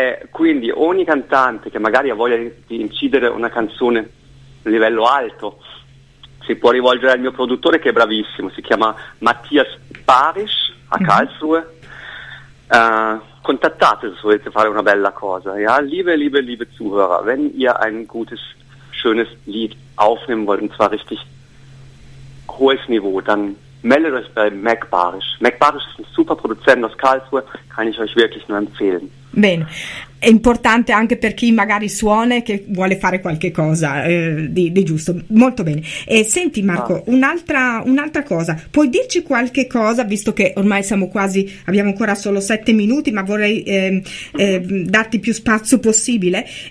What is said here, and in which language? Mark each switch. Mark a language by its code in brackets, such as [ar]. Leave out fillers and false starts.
[it] Quindi ogni cantante che magari ha voglia di incidere una canzone a livello alto, si può rivolgere al mio produttore che è bravissimo, si chiama Mattias Parisch a Karlsruhe. Contattate se volete fare una bella cosa, ja? [de] Liebe Zuhörer, wenn ihr ein gutes, schönes Lied aufnehmen wollt, und zwar richtig hohes Niveau, dann meldet euch bei Mac Barisch. Mac Barisch ist ein super Produzent aus Karlsruhe, kann ich euch wirklich nur empfehlen. [it] Bene. è importante anche per chi magari suona e che vuole fare qualche cosa di giusto. Molto bene. E senti Marco, un'altra cosa, puoi dirci qualche cosa, visto che ormai siamo quasi, abbiamo ancora solo 7 minuti, ma vorrei darti più spazio possibile.